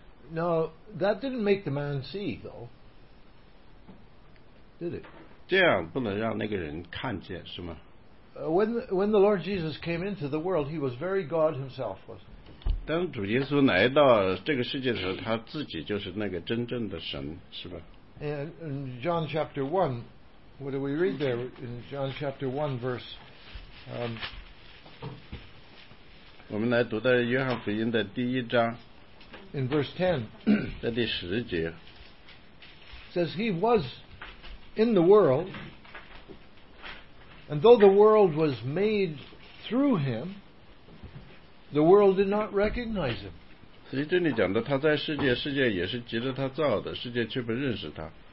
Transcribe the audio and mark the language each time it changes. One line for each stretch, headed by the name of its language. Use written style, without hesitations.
English: No, that didn't make the man see though, did it?
Chinese: 这样不能让那个人看见是吗？
English: When the Lord Jesus came into the world, he was very God himself, wasn't he?
Chinese: 当主耶稣来到这个世界的时候，他自己就是那个真正的神，是吧？
English: In John chapter 1, what do we read there? In John chapter 1 verse...
Chinese: 我们来读到约翰福音的第一章。
English: In verse 10.
Chinese: 在第十节。
English: Says he was in the world... And though the world was made through him, the world did not recognize him.
Chinese: 所以这里讲的他在世界，世界也是藉着他造的，世界却不认识他。